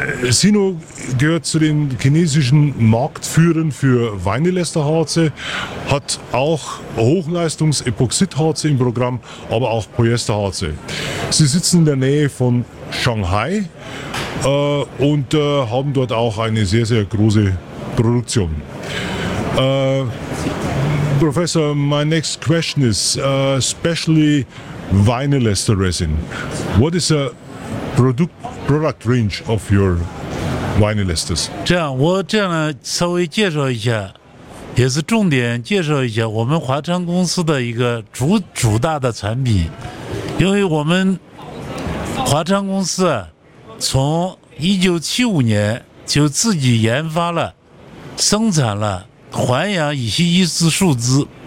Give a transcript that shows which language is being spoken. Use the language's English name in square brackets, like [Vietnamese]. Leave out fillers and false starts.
[German] Sino gehört zu den chinesischen Marktführern für Weinelesterharze, hat auch Hochleistungs-Epoxidharze im Programm, aber auch Polyesterharze. Sie sitzen in der Nähe von Shanghai und haben dort auch eine sehr, sehr große Produktion. [English] Professor, my next question is, especially vinyl ester resin. What is a product range of your vinyl esters? [Chinese] 这样，我这样呢，稍微介绍一下，也是重点介绍一下我们华昌公司的一个主大的产品，因为我们华昌公司啊，从1975年就自己研发了、生产了环氧乙烯一次树脂。